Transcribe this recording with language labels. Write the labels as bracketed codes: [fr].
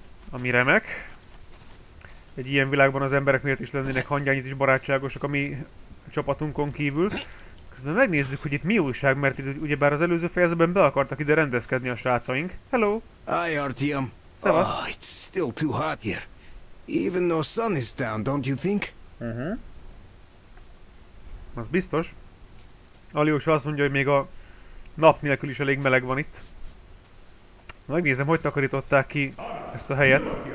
[hu] Ami remek. Egy ilyen világban az emberek miért is lennének hangyányit is barátságosak a mi csapatunkon kívül. Közben megnézzük, hogy itt mi újság, mert itt ugyebár az előző fejezetben be akartak ide rendezkedni a srácaink. [en] Hello! Hi, Artyom! [hu] Szevasz! [en] Oh, it's still too hot here. Even though sun is down, don't you think? [hu] Uh-huh. Az biztos. Aliósa azt mondja, hogy még a nap nélkül is elég meleg van itt. Megnézem, hogy takarították ki ezt a helyet.